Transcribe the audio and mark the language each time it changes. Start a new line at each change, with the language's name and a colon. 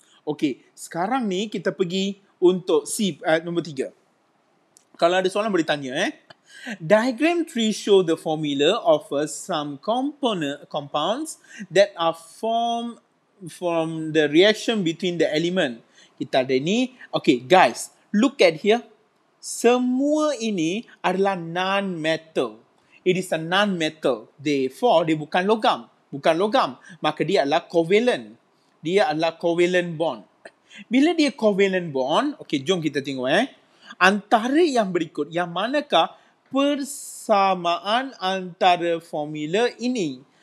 Malay: Okey, sekarang ni kita pergi untuk C, nombor 3. Kalau ada soalan boleh tanya
English: Diagram 3 show the formula of some compounds that are formed from the reaction between the element.
Malay: Kita ada ni.
English: Okey, guys, look at here.
Malay: Semua ini adalah non-metal.
English: It is a non-metal. Therefore,
Malay: dia bukan logam. Maka dia adalah covalent. Bila dia covalent bond, okay, jom kita tengok Antara yang berikut, yang manakah persamaan antara formula ini?